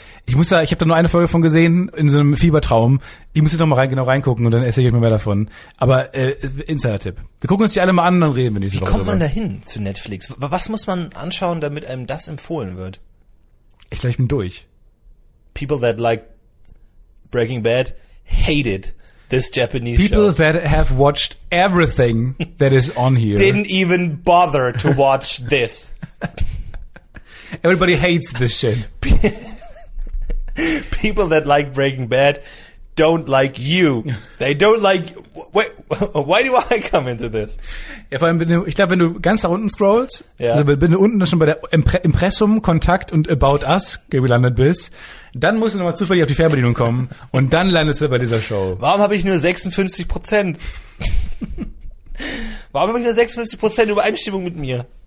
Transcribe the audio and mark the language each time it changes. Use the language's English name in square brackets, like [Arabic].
[German] Ich habe da nur eine Folge von gesehen, in so einem Fiebertraum. Ich muss jetzt noch mal genau reingucken und dann erzähle ich euch mal mehr davon. Aber Insider-Tipp. Wir gucken uns die alle mal an und dann reden wir nicht so. Wie kommt man da hin zu Netflix? Was muss man anschauen, damit einem das empfohlen wird? Ich glaube, ich bin durch. [English] People that like Breaking Bad hated this Japanese People People that have watched everything that is on here. Didn't even bother to watch this. Everybody hates this shit. People that like Breaking Bad don't like you. They don't like you. Wait, why do I come into this? [German] Ja, vor allem, wenn du ganz nach unten scrollst, Also wenn du unten dann schon bei der Impressum, Kontakt und About Us gelandet bist, dann musst du nochmal zufällig auf die Fernbedienung kommen und dann landest du bei dieser Show. Warum habe ich nur 56%? Warum habe ich nur 56% Übereinstimmung mit mir?